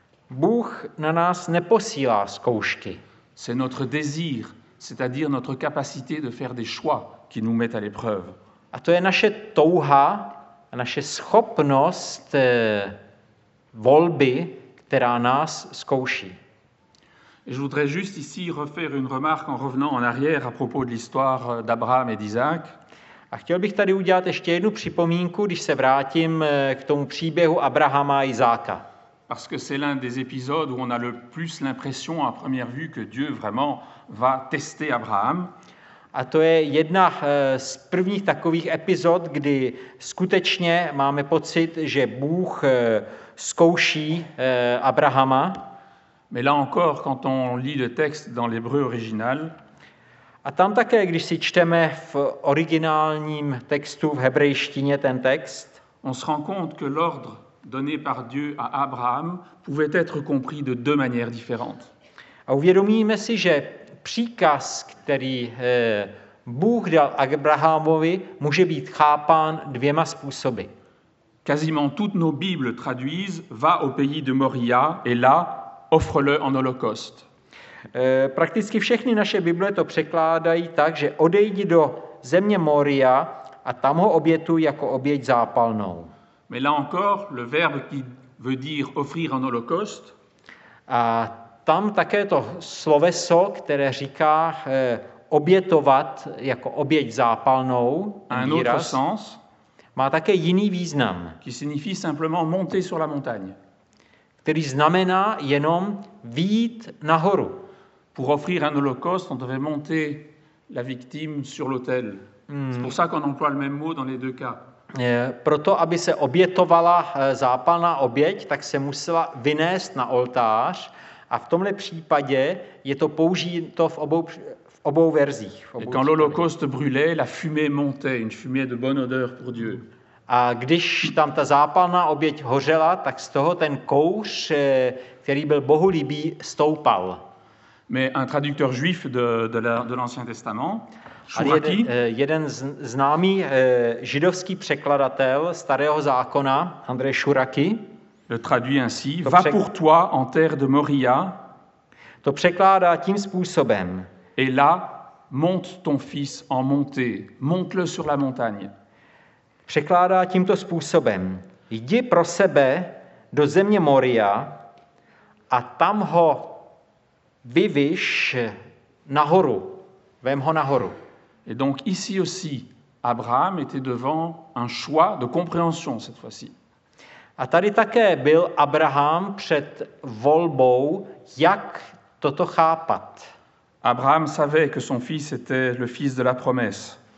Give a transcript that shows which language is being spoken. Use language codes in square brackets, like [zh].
[cs] Bůh na nás neposílá zkoušky. [fr] C'est notre désir, c'est-à-dire notre capacité de faire des choix qui nous met à l'épreuve. [cs] A to je naše touha, a naše schopnost volby, která nás zkouší. [fr] Je voudrais juste ici refaire une remarque en revenant en arrière à propos de l'histoire d'Abraham et d'Isaac. [cs] A chtěl bych tady udělat ještě jednu připomínku, když se vrátím k tomu příběhu Abrahama a Izáka. [fr] Parce que c'est l'un des épisodes où on a le plus l'impression à première vue que Dieu vraiment va tester Abraham. [cs] A to je jedna z prvních takových epizod, kdy skutečně máme pocit, že Bůh zkouší Abrahama. [fr] Mais là encore, quand on lit le texte dans l'hébreu original. [cs] A tam také, když si čteme v originálním textu v hebrejštině ten text, [fr] on se rend compte que l'ordre donné par Dieu à Abraham pouvait être compris de deux manières différentes. [cs] A uvědomíme si, že příkaz, který Bůh dal Abrahamovi, může být chápán dvěma způsoby. [fr] Quasiment toutes nos bibles traduisent va au pays de Moria et là offre-le en holocauste. [cs] Prakticky všechny naše bible to překládají tak, že odejdi do země Moria a tam ho obětuj jako oběť zápalnou. [fr] Mais là encore, le verbe qui veut dire offrir en holocauste. [cs] A tam také to sloveso, které říká obětovat jako oběť zápalnou, [fr] un autre sens, [cs] má také jiný význam, [fr] qui signifie simplement monter sur la montagne, [cs] který znamená jenom vyjít nahoru. [fr] Pour offrir un holocauste, on devait monter la victime sur l'autel. C'est pour ça qu'on emploie le même mot dans les deux cas. [cs] Proto, aby se obětovala zápalná oběť, tak se musela vynést na oltář. A v tomhle případě je to použito v obou verzích. [fr] Et quand l'holocauste brûlait, la fumée montait, une fumée de bonne odeur pour Dieu. [cs] A když tam ta zápalná oběť hořela, tak z toho ten kouř, který byl Bohu líbí, stoupal. [fr] Mais un traducteur juif de l'Ancien Testament, Shuraki, [cs] jeden známý židovský překladatel starého zákona, Andrej Shuraki, [fr] le traduit ainsi: va pour toi en terre de Moria. [cs] To překládá tím způsobem: [fr] et là monte ton fils en montée, monte-le sur la montagne. [cs] Překládá tímto způsobem: jdi pro sebe do země Moria a tam ho vyviš nahoru, vem ho nahoru. [fr] Et donc ici aussi Abraham était devant un choix de compréhension cette fois-ci. [cs] A tady také byl Abraham před volbou, jak toto chápat. [fr] Abraham savait que son fils était le fils de la promesse.